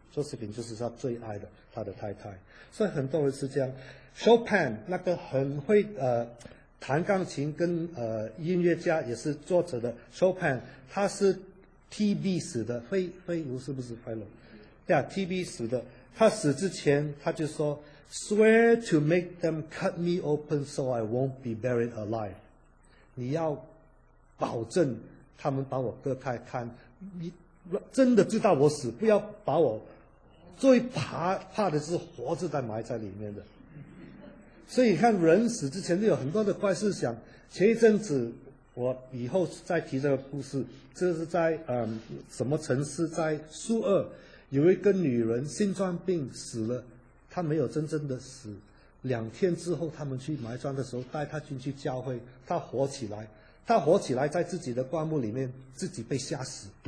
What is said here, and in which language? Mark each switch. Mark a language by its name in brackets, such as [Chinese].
[Chinese] 周世平就是他最爱的他的太太，所以很多人是这样。 Chopin 那个很会弹钢琴跟音乐家也是作者的 Chopin， 他是 TB 死的，飞卢是不是飞卢？对啊 ，TB 死的。他死之前他就说 [English] ：“Swear to make them cut me open so I won't be buried alive。” [Chinese] 你要保证他们把我割开看，你真的知道我死，不要把我最怕的是活着再埋在里面的。所以你看人死之前就有很多的怪事想。前一阵子我以后再提这个故事，这是在什么城市，在苏俄有一个女人心脏病死了，她没有真正的死，两天之后他们去埋葬的时候带她进去教会，她活起来在自己的棺木里面自己被吓死。